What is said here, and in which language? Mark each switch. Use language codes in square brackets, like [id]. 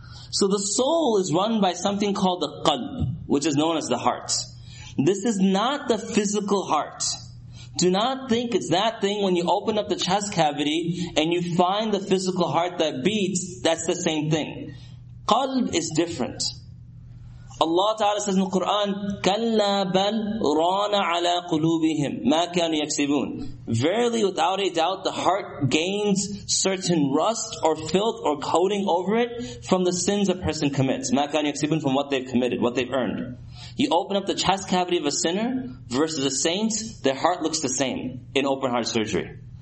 [en] So the soul is run by something called the qalb, which is known as the heart. This is not the physical heart. Do not think it's that thing when you open up the chest cavity and you find the physical heart that beats, that's the same thing. Qalb is different. Allah Ta'ala says in the Quran, [ar] كَلَّا بَلْ رَانَ عَلَىٰ قُلُوبِهِمْ مَا كَانُوا يَكْسِبُونَ. [en] Verily, without a doubt, the heart gains certain rust or filth or coating over it from the sins a person commits. [ar] مَا كَانُوا يَكْسِبُونَ, [en] from what they've committed, what they've earned. You open up the chest cavity of a sinner versus a saint, their heart looks the same in open heart surgery.